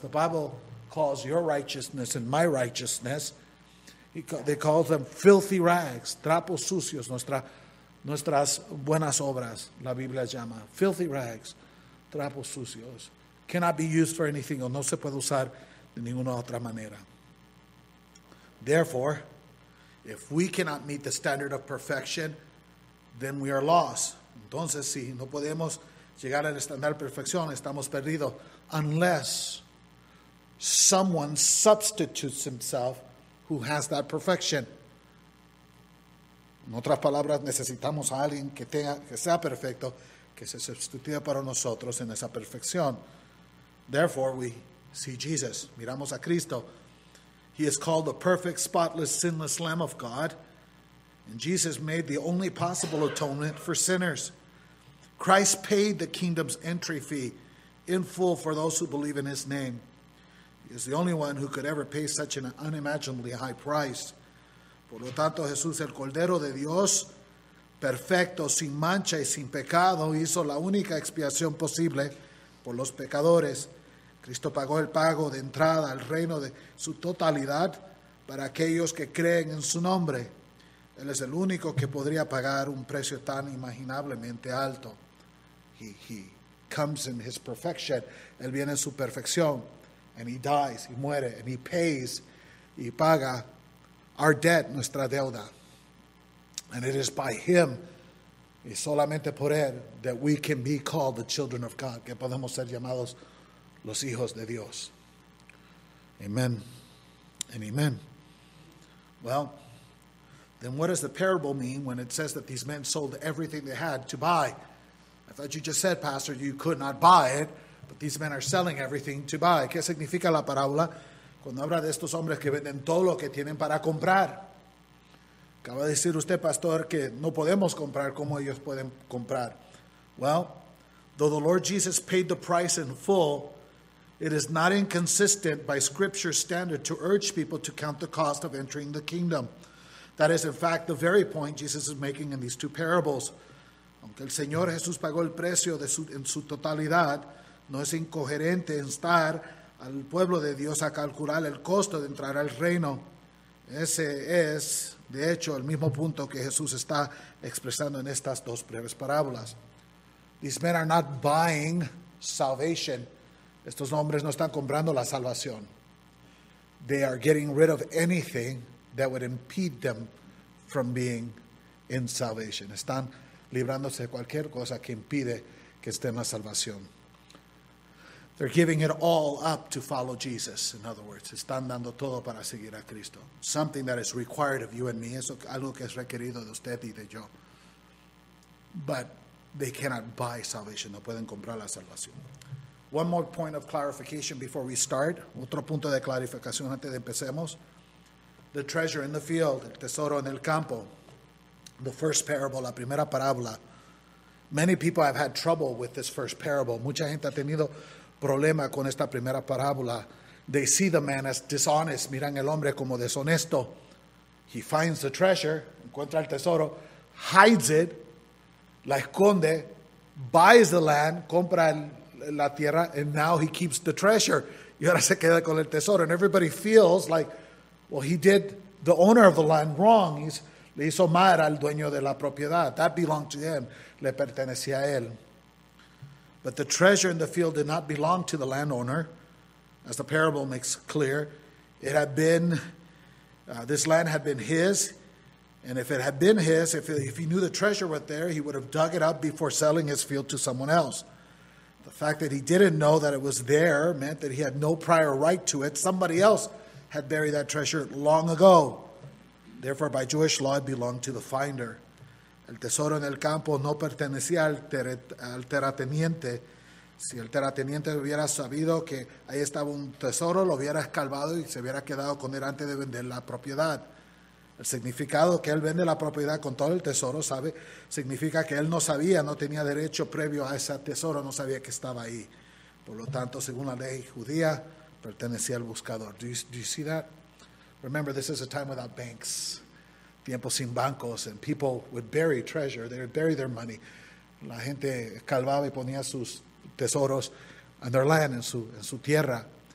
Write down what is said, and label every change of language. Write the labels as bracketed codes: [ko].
[en] The Bible calls your righteousness and my righteousness, they call them filthy rags, [es] trapos sucios, nuestras buenas obras, la Biblia llama. [en] Filthy rags, [es] trapos sucios. [en] Cannot be used for anything, [es] o no se puede usar de ninguna otra manera. [en] Therefore, if we cannot meet the standard of perfection, then we are lost. [es] Entonces, si no podemos llegar al estándar de perfección, estamos perdidos. [en] Unless someone substitutes himself who has that perfection. [es] En otras palabras, necesitamos a alguien que sea perfecto, que se sustituya para nosotros en esa perfección. [en] Therefore, we see Jesus. [es] Miramos a Cristo. [en] He is called the perfect, spotless, sinless Lamb of God. And Jesus made the only possible atonement for sinners. Christ paid the kingdom's entry fee in full for those who believe in his name. He is the only one who could ever pay such an unimaginably high price. [es] Por lo tanto, Jesús, el Cordero de Dios, perfecto, sin mancha y sin pecado, hizo la única expiación posible por los pecadores. Cristo pagó el pago de entrada al reino de su totalidad para aquellos que creen en su nombre. Él es el único que podría pagar un precio tan imaginablemente alto. [en] He comes in his perfection. [es] Él viene en su perfección. [en] And he dies, [es] y muere, [en] and he pays, [es] y paga [en] our debt, [es] nuestra deuda. [en] And it is by him, [es] y solamente por él, [en] that we can be called the children of God, [es] que podemos ser llamados los hijos de Dios. [en] Amen and amen. Well, then what does the parable mean when it says that these men sold everything they had to buy? I thought you just said, Pastor, you could not buy it, but these men are selling everything to buy. [es] ¿Qué significa la parábola cuando habla de estos hombres que venden todo lo que tienen para comprar? Acaba de decir usted, Pastor, que no podemos comprar como ellos pueden comprar. [en] Well, though the Lord Jesus paid the price in full, it is not inconsistent by Scripture's standard to urge people to count the cost of entering the kingdom. That is, in fact, the very point Jesus is making in these two parables. [es] Aunque el Señor Jesús pagó el precio de su, en su totalidad, no es incoherente instar al pueblo de Dios a calcular el costo de entrar al reino. Ese es, de hecho, el mismo punto que Jesús está expresando en estas dos breves parábolas. [en] These men are not buying salvation. [es] Estos hombres no están comprando la salvación. [en] They are getting rid of anything that would impede them from being in salvation. [es] Están librándose de cualquier cosa que impide que estén en la salvación. [en] They're giving it all up to follow Jesus, in other words. [es] Están dando todo para seguir a Cristo. [en] Something that is required of you and me. [es] Eso, algo que es requerido de usted y de yo. [en] But they cannot buy salvation. [es] No pueden comprar la salvación. [en] One more point of clarification before we start. [es] Otro punto de clarificación antes de empecemos. [en] The treasure in the field, [es] el tesoro en el campo. [en] The first parable, [es] la primera parábola. [en] Many people have had trouble with this first parable. [es] Mucha gente ha tenido problema con esta primera parábola. [en] They see the man as dishonest. [es] Miran el hombre como deshonesto. [en] He finds the treasure, [es] encuentra el tesoro, [en] hides it, [es] la esconde, [en] buys the land, [es] compra la tierra, [en] and now he keeps the treasure. [es] Y ahora se queda con el tesoro. [en] And everybody feels like, well, he did the owner of the land wrong. [es] Le hizo mal al dueño de la propiedad. [en] That belonged to him. [es] Le pertenecía a él. [en] But the treasure in the field did not belong to the landowner, as the parable makes clear. It had been, this land had been his, and if it had been his, if he knew the treasure was there, he would have dug it up before selling his field to someone else. The fact that he didn't know that it was there meant that he had no prior right to it. Somebody else had buried that treasure long ago. Therefore, by Jewish law, it belonged to the finder. [es] El tesoro en el campo no pertenecía al terrateniente. Si el terrateniente hubiera sabido que ahí estaba un tesoro, lo hubiera escarbado y se hubiera quedado con él antes de vender la propiedad. El significado que él vende la propiedad con todo el tesoro, ¿sabe? Significa que él no sabía, no tenía derecho previo a ese tesoro, no sabía que estaba ahí. Por lo tanto, según la ley judía, pertenecía al buscador. [en] Do you see that? Remember, this is a time without banks. [es] Tiempos sin bancos, [en] and people would bury treasure. They would bury their money. [es] La gente calvaba y ponía sus tesoros [en] and their land [es] en su tierra.